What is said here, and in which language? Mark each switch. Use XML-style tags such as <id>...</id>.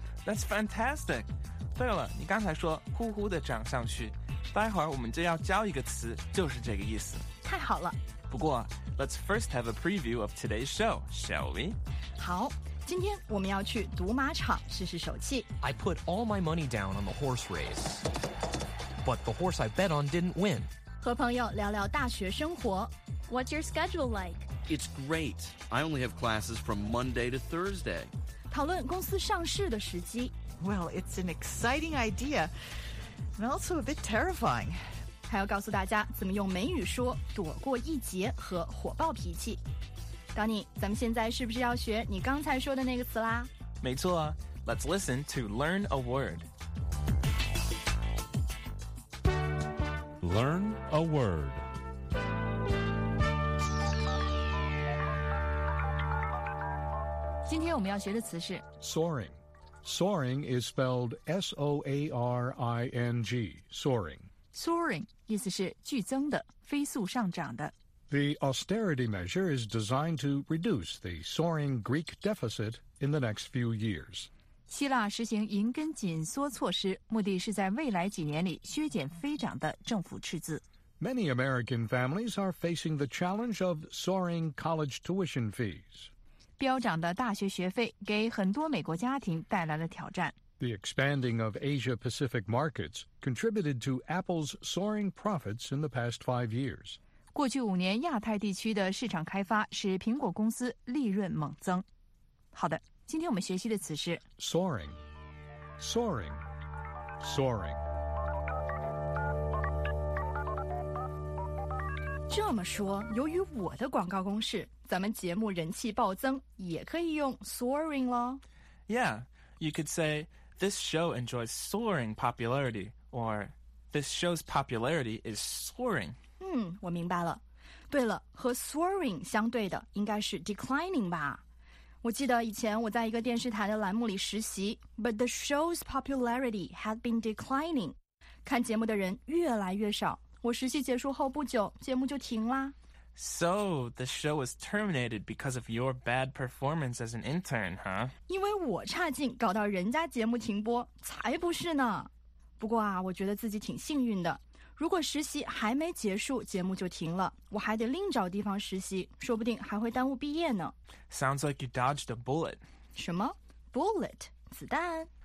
<en>That's fantastic。</en> <zh>对了，你刚才说呼呼的涨上去，待会儿我们就要教一个词，就是这个意思。太好了。</zh> <en>不过 ，Let's first have a preview of today's show, shall we?</en> <zh>好，今天我们要去赌马场试试手气。</zh> <en>I put all my money down on the horse race. But the horse I bet on didn't win.</en> <zh>和朋友聊聊大学生活。</zh> <en>What's your schedule like? It's great. I only have classes from Monday to Thursday.</en> <zh>讨论公司上市的时机。</zh> <en>Well, it's an exciting idea, and also a bit terrifying.</en> <zh>还要告诉大家怎么用美语说躲过一劫和火爆脾气。 Donny，咱们现在是不是要学你刚才说的那个词啦？没错啊。</zh> <en>Let's listen to learn a word. Learn a word.</en> <zh>Today, 我们要学的词是</zh> <en>soaring. Soaring is spelled S-O-A-R-I-N-G. Soaring.</en> <zh>Soaring 意思是剧增的，飞速上涨的。</zh> <en>The austerity measure is designed to reduce the soaring Greek deficit in the next few years.</en> <zh>希腊实行银根紧缩措施，目的是在未来几年里削减飞涨的政府赤字。</zh> <en>Many American families are facing the challenge of soaring college tuition fees.</en> <zh>飙涨的大学学费给很多美国家庭带来了挑战。</zh> <en>The expanding of Asia-Pacific markets contributed to Apple's soaring profits in the past 5 years.</en> <zh>过去五年亚太地区的市场开发使苹果公司利润猛增。好的。今天我们学习的词是</zh> <en>soaring, soaring, soaring.</en> <zh>这么说，由于我的广告攻势，咱们节目人气暴增，也可以用 soaring 咯。</zh> <en>Yeah, you could say this show enjoys soaring popularity, or this show's popularity is soaring.</en> <zh>嗯，我明白了。对了，和 soaring 相对的应该是 declining 吧。我记得以前我在一个电视台的栏目里实习 ，</zh> <en>But the show's popularity had been declining.</en> <zh>看节目的人越来越少。我实习结束后不久，节目就停啦。</zh> <en>So the show was terminated because of your bad performance as an intern, huh?</en> <zh>因为我差劲，搞到人家节目停播，才不是呢。不过啊，我觉得自己挺幸运的。如果实习还没结束，节目就停了，我还得另找地方实习，说不定还会耽误毕业呢。</zh> <en>Sounds like you dodged a bullet.</en> <zh>什么 ？Bullet， 子弹？</zh>